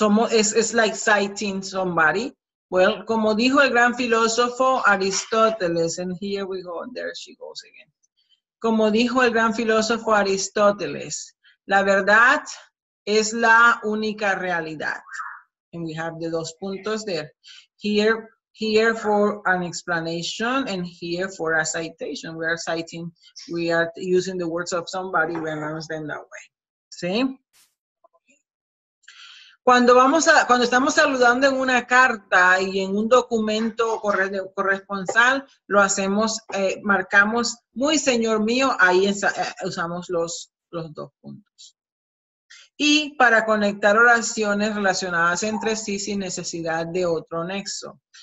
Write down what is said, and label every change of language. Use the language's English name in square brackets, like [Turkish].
[English] It's like citing somebody. Well, [Spanish] como dijo el gran filósofo Aristóteles, [English] and here we go, there she goes again. [Spanish] Como dijo el gran filósofo Aristóteles, la verdad es la única realidad. [English] And we have the dos puntos there. Here for an explanation and here for a citation. We are using the words of somebody, we announce them that way. [Spanish] ¿Sí? Cuando estamos saludando en una carta y en un documento corresponsal, lo hacemos, marcamos muy señor mío, ahí usamos los dos puntos. Y para conectar oraciones relacionadas entre sí sin necesidad de otro nexo.